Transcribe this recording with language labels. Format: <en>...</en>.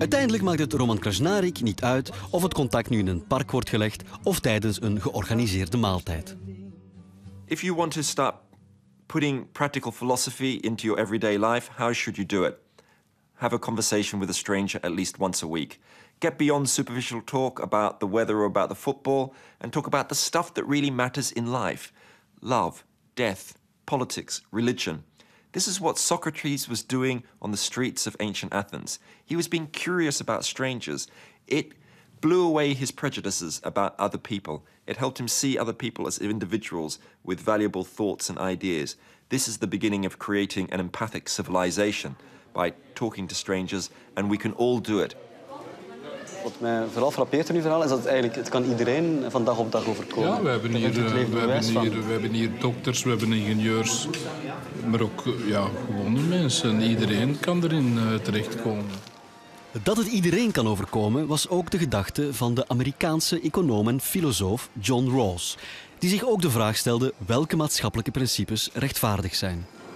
<nl>Uiteindelijk maakt het Roman Krasnarik niet uit of het contact nu in een park wordt gelegd of tijdens een georganiseerde maaltijd.</nl> <en>If you want to stop putting practical philosophy into your everyday life, how should you do it? Have a conversation with a stranger at least once a week. Get beyond superficial talk about the weather or about the football and talk about the stuff that really matters in life. Love, death, politics, religion. This is what Socrates was doing on the streets of ancient Athens. He was being curious about strangers. It blew away his prejudices about other people. It helped him see other people as individuals with valuable thoughts and ideas. This is the beginning of creating an empathic civilization by talking to strangers, and we can all do it.</en> <nl>Wat mij vooral frappeert in uw verhaal is dat eigenlijk het kan iedereen van dag op dag overkomen. Ja, we hebben hier dokters, we hebben ingenieurs, maar ook ja, gewone mensen. Iedereen kan erin terechtkomen. Dat het iedereen kan overkomen was ook de gedachte van de Amerikaanse econoom en filosoof John Rawls, die zich ook de vraag stelde welke maatschappelijke principes rechtvaardig zijn.</nl>